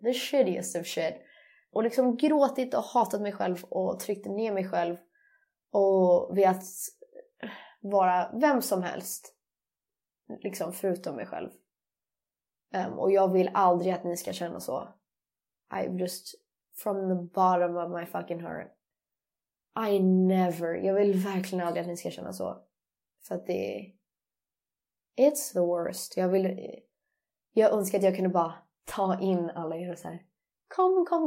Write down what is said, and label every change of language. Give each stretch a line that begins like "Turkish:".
English: The shittiest of shit.
Swedish: Och liksom gråtit och hatat mig själv och tryckt ner mig själv. Och vet vara vem som helst. Liksom förutom mig själv. Och jag vill aldrig att ni ska känna så.
English: I'm just from the bottom of my fucking heart. I never.
Swedish: Jag vill verkligen aldrig att ni ska känna så. För att det är...
English: It's the worst.
Swedish: Jag önskar att jag kunde bara ta in alla er och säga, kom.